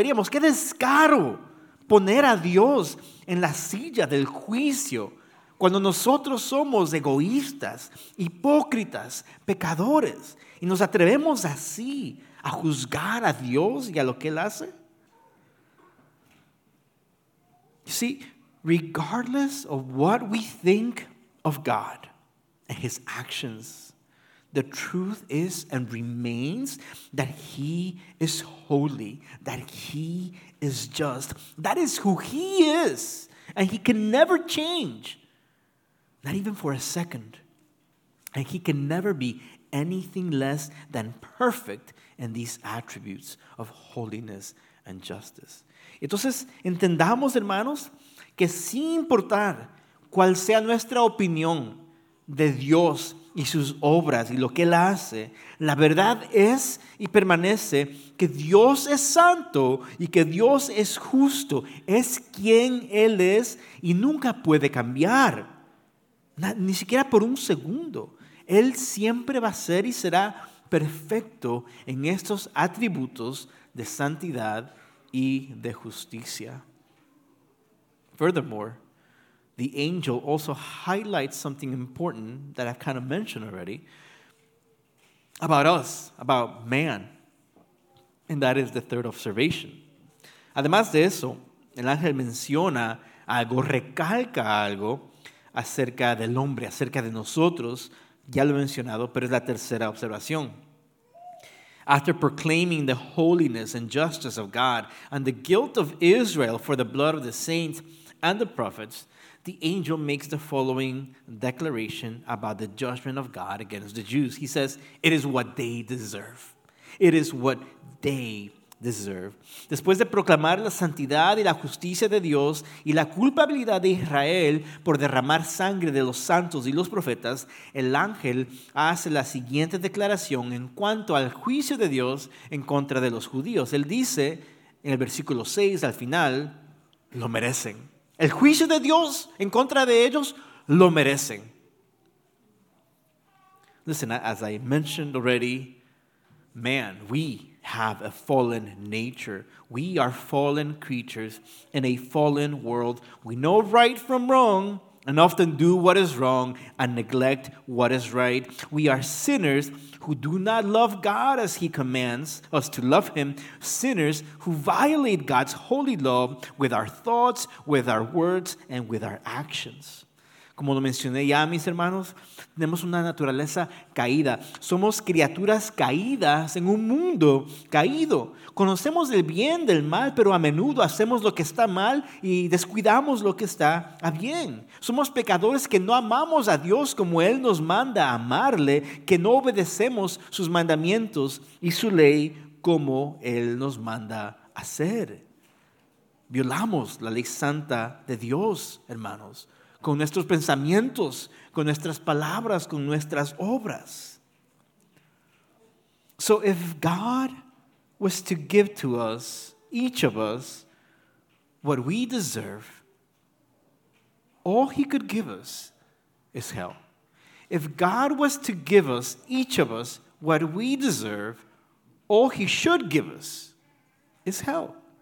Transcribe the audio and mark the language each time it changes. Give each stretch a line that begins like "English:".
Spanish: ¡Qué descaro! Poner a Dios en la silla del juicio cuando nosotros somos egoístas, hipócritas, pecadores, y nos atrevemos así a juzgar a Dios y a lo que Él hace.
English: You see, regardless of what we think of God and His actions, the truth is and remains that He is holy, that He is just. That is who He is, and He can never change, not even for a second. And He can never be anything less than perfect in these attributes of holiness and justice.
Spanish: Entonces, entendamos, hermanos, que sin importar cuál sea nuestra opinión de Dios y sus obras y lo que Él hace, la verdad es y permanece que Dios es santo y que Dios es justo, es quien Él es y nunca puede cambiar, ni siquiera por un segundo. Él siempre va a ser y será perfecto en estos atributos de santidad y de justicia.
English: Furthermore, the angel also highlights something important that I've kind of mentioned already about us, about man, and that is the third observation.
Spanish: Además de eso, el ángel menciona algo, recalca algo acerca del hombre, acerca de nosotros, ya lo he mencionado, pero es la tercera observación.
English: After proclaiming the holiness and justice of God and the guilt of Israel for the blood of the saints and the prophets, the angel makes the following declaration about the judgment of God against the Jews. He says, it is what they deserve. It is what they deserve.
Spanish: Después de proclamar la santidad y la justicia de Dios y la culpabilidad de Israel por derramar sangre de los santos y los profetas, el ángel hace la siguiente declaración en cuanto al juicio de Dios en contra de los judíos. Él dice, en el versículo 6, al final, lo merecen. El juicio de Dios en contra de ellos lo merecen.
English: Listen, as I mentioned already, man, we have a fallen nature. We are fallen creatures in a fallen world. We know right from wrong, and often do what is wrong and neglect what is right. We are sinners who do not love God as He commands us to love Him, sinners who violate God's holy law with our thoughts, with our words, and with our actions.
Spanish: Como lo mencioné ya, mis hermanos, tenemos una naturaleza caída. Somos criaturas caídas en un mundo caído. Conocemos el bien del mal, pero a menudo hacemos lo que está mal y descuidamos lo que está bien. Somos pecadores que no amamos a Dios como Él nos manda amarle, que no obedecemos sus mandamientos y su ley como Él nos manda hacer. Violamos la ley santa de Dios, hermanos. Con nuestros pensamientos, con nuestras palabras, con nuestras obras.
English: So if God was to give to us, each of us, what we deserve, all He could give us is hell. If God was to give us, each of us, what we deserve, all He should give us is hell.